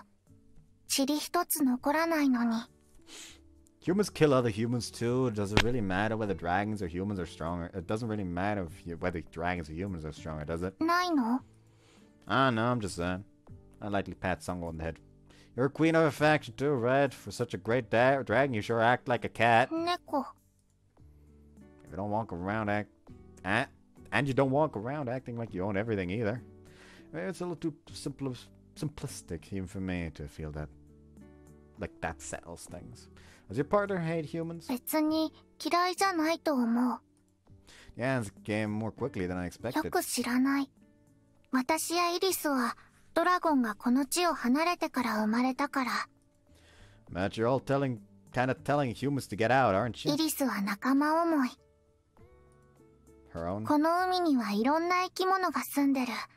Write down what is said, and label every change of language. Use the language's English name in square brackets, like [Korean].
[Japanese] 怒ったら、お前なんかぺちゃんこ、塵一つ残らないのに。 [English] Humans kill other humans too. Does it really matter whether dragons or humans are stronger? It doesn't really matter whether dragons or humans are stronger, does it? [Japanese] ないの? [English] Ah, no, I'm just saying. I lightly pat Sango on the head. You're a queen of a faction too, right? For such a great dragon, you sure act like a cat. [Japanese] Neko. [English] If you don't walk around and you don't walk around acting like you own everything either. Maybe it's a little too simplistic even for me to feel that. Like that settles things. Does your partner hate humans? [Japanese] 別に嫌いじゃないと思う。 [English] The answer came more quickly than I expected. [Japanese] よく知らない。私やイリスは。ドラゴンがこの地を離れてから生まれたから。 [English] But you're all kind of telling humans to get out, aren't you? [Japanese] イリスは仲間思い。 [English] Her own? [Japanese] この海にはいろんな生き物が住んでる。